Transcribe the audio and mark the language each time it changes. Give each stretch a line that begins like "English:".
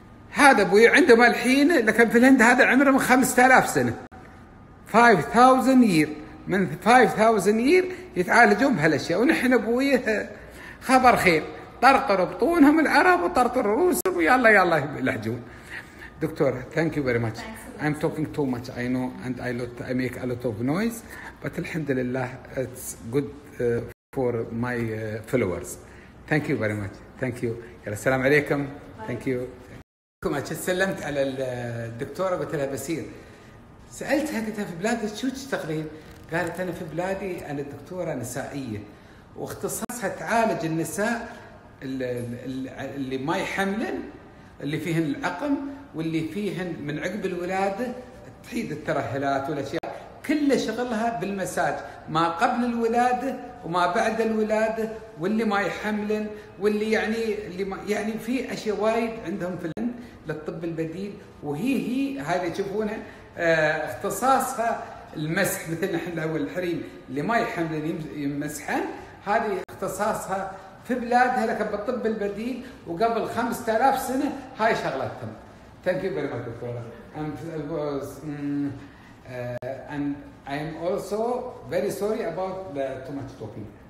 Arabic: هذا أبوي عندهم الحين، لكن في الهند هذا عمره من 5000 سنة 5000 year من 5000 year يتعالجون بهالأشياء، ونحن أبوي خبر خير طرطر بطونهم العرب وطرطر روسهم ويلا يلا لحجون.
English: Doctor thank you very much. I'm talking too much I know and I make a lot of noise but الحمد لله it's good for my followers. Thank you very much. Thank you.
Arabic: يلا السلام عليكم.
English: Thank you.
Arabic: كما سلمت على الدكتورة قلت لها بسير، سألتها قلت لها في بلادك شو تشتغلين؟ قالت أنا في بلادي أنا دكتورة نسائية واختصاصها تعالج النساء اللي ما يحملن اللي فيهن العقم واللي فيهن من عقب الولادة تحيد الترهلات والأشياء، كل شغلها بالمساج ما قبل الولادة وما بعد الولادة واللي ما يحملن واللي يعني اللي ما يعني في أشياء وايد عندهم في الهند للطب البديل، وهي هذه تشوفونها اختصاصها المسح مثل نحن الأول الحريم اللي ما يحملن يمسحن، هذه اختصاصها في بلادها لكن بالطب البديل وقبل 5000 سنة هاي شغلتهم.
English: Thank you very much دكتورة. And I am also very sorry about the too much talking.